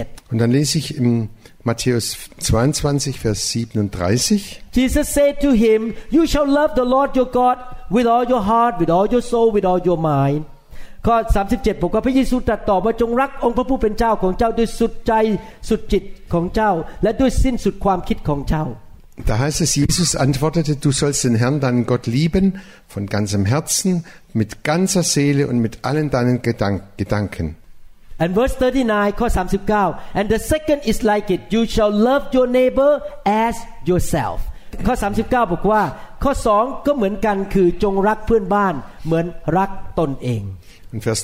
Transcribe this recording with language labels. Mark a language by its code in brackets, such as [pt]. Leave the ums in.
[de] Und dann lese ich im Matthäus 22 vers 37. [en] Jesus said to him, you shall love the Lord your God with all your heart, with all your soul, with all your mind. [th] ข้อ37บอกว่าพระเยซูตรัสตอบว่าจงรักองค์พระผู้เป็นเจ้าของเจ้าด้วยสุดใจสุดจิตของเจ้าและด้วยสิ้นสุดความคิดของเจ้า [de] Da heißt es, Jesus antwortete, du sollst den Herrn, deinen Gott lieben, von ganzem Herzen, mit ganzer Seele und mit allen deinen Gedank Gedanken. [en] And verse 39, [de] Kurs 39, [en] and the second is like it, you shall love your neighbor as yourself. [de] Kurs 39 [th] บอกว่า ข้อ2ก็เหมือนกันคือจงรักเพื่อนบ้านเหมือนรักตนเอง [de] Und Vers